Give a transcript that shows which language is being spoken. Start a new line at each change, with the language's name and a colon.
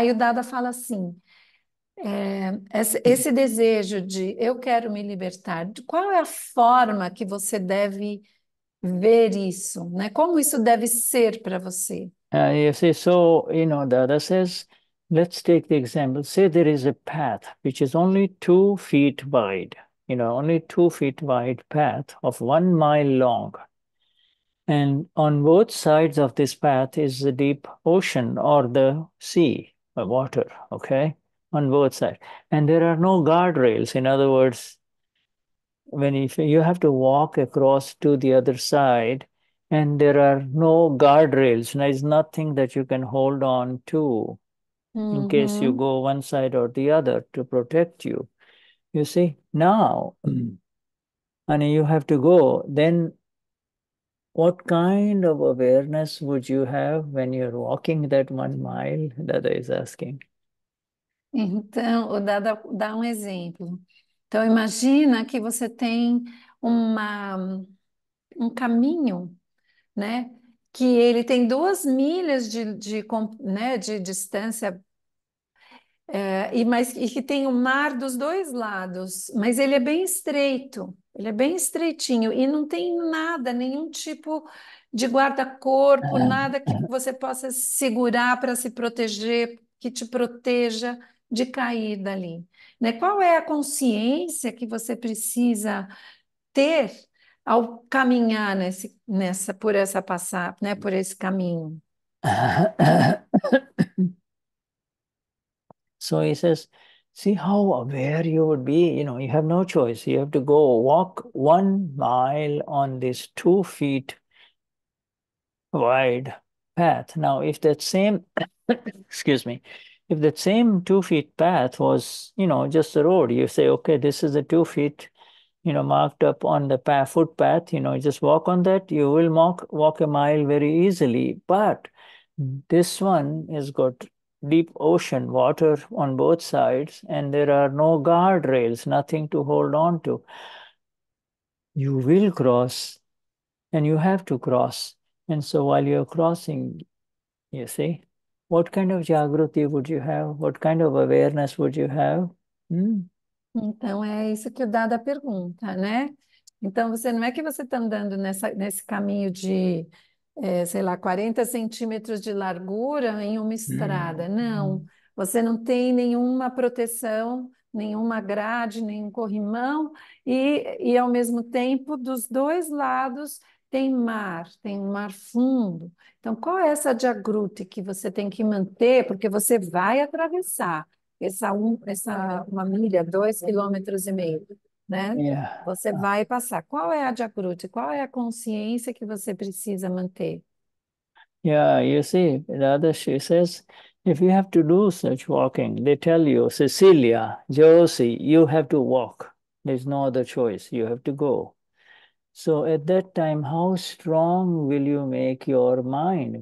Portuguese: Aí o Dada fala assim, esse desejo de eu quero me libertar, qual é a forma que você deve ver isso, né? Como isso deve ser para você?
English: You see, so, you know, Dada says, let's take the example. Say there is a path which is only 2 feet wide, you know, only 2 feet wide path of 1 mile long. And on both sides of this path is the deep ocean or the sea, or water, okay? On both sides. And there are no guardrails. In other words, you have to walk across to the other side. And there are no guardrails. There is nothing that you can hold on to in case you go one side or the other to protect you. You see, now, and you have to go, then what kind of awareness would you have when you're walking that 1 mile? Dada is asking.
Portuguese: Então, o Dada dá um exemplo. Então, imagina que você tem um caminho, né? Que ele tem 2 milhas de distância. E que tem o mar dos dois lados, mas ele é bem estreito, ele é bem estreitinho e não tem nada, nenhum tipo de guarda-corpo, nada que você possa segurar para se proteger, que te proteja de cair dali, né? Qual é a consciência que você precisa ter ao caminhar por essa passar, né? Por esse caminho?
English: So he says, see how aware you would be. You know, you have no choice. You have to go walk 1 mile on this 2 feet wide path. Now, if that same, excuse me, if that same 2 feet path was, you know, just the road, you say, okay, this is the 2 feet, you know, marked up on the path, footpath, you know, just walk on that, you will walk a mile very easily. But this one has got deep ocean water on both sides, and there are no guardrails, nothing to hold on to. You will cross, and you have to cross. And so while you're crossing, you see, what kind of jagruti would you have? What kind of awareness would you have?
Portuguese: Então, é isso que o Dada pergunta, né? Então, você não é que você está andando nesse caminho de, sei lá, 40 centímetros de largura em uma estrada, não. Você não tem nenhuma proteção, nenhuma grade, nenhum corrimão, e ao mesmo tempo, dos dois lados, tem um mar fundo. Então, qual é essa jagruti que você tem que manter, porque você vai atravessar. Essa uma milha, 2,5 km, né? Você vai passar. Qual é a jagruti? Qual é a consciência que você precisa manter?
English: You see, Radha, she says, if you have to do such walking, they tell you, Cecilia, Josie, you have to walk. There's no other choice. You have to go. So at that time, how strong will you make your mind?